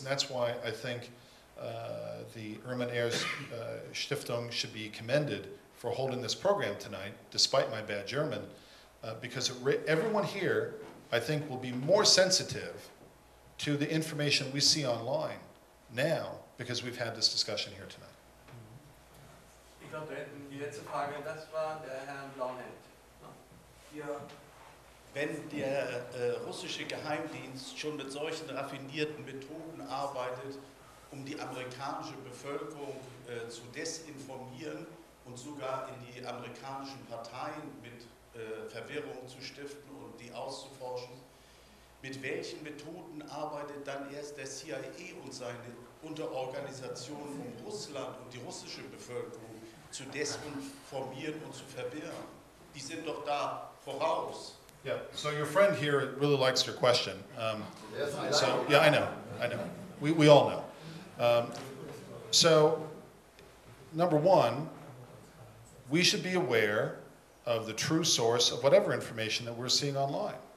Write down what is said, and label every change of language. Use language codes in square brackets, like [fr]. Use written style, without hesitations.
[en] And that's why I think the Hermann Ehrs Stiftung should be commended for holding this program tonight, despite my bad German, because everyone here, I think, will be more sensitive to the information we see online now because we've had this discussion here tonight. [de] Ich glaube, wir hätten die letzte Frage, das war der Herr Blauenhelt. Ja. Wenn der russische Geheimdienst schon mit solchen raffinierten Methoden arbeitet, um die amerikanische Bevölkerung zu desinformieren und sogar in die amerikanischen Parteien mit Verwirrung zu stiften und die auszuforschen, mit welchen Methoden arbeitet dann erst der CIA und seine Unterorganisationen um Russland und die russische Bevölkerung zu desinformieren und zu verwirren? Die sind doch da voraus. [en] Yeah, so your friend here really likes your question. So yeah, I know. We all know. So number one, we should be aware of the true source of whatever information that we're seeing online.